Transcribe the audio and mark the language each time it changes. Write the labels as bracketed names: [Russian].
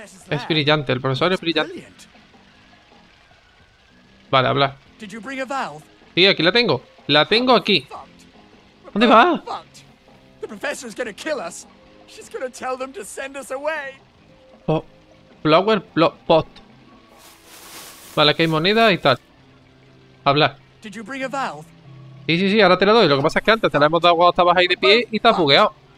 [Spanish] Es brillante. El profesor es brillante. Vale, habla. Sí, aquí la tengo. La tengo aquí. ¿Dónde va? El profesor va a matarnos. [English] She's gonna tell them to send us away. Flower pot. [Spanish] Vale, aquí hay moneda y tal. Hablar. [English] Did you bring a valve? [Spanish] Sí, ahora te la doy. Lo que pasa es que antes te la hemos dado cuando estabas ahí de pie y estás bugueado.